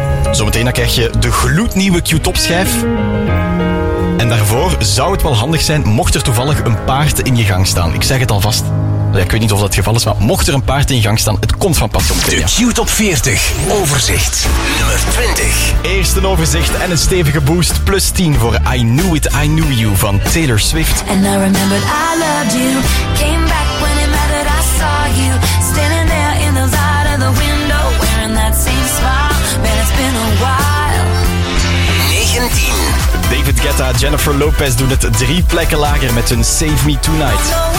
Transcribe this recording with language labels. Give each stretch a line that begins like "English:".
Dutch: Zometeen dan krijg je de gloednieuwe Q-topschijf. En daarvoor zou het wel handig zijn mocht er toevallig een paard in je gang staan. Ik zeg het alvast. Ja, ik weet niet of dat het geval is, maar mocht er een paard in je gang staan, het komt van pas op. De Q-top 40. Overzicht. Nummer 20. Eerst een overzicht en een stevige boost. Plus 10 voor I Knew It, I Knew You van Taylor Swift.
English: And I remembered I loved you. Came back when it mattered, I saw you. Standing there in the light of the window. Wearing that same smile. Been a while. 19.
Dutch: David Guetta, Jennifer Lopez doen het drie plekken lager met hun Save Me Tonight.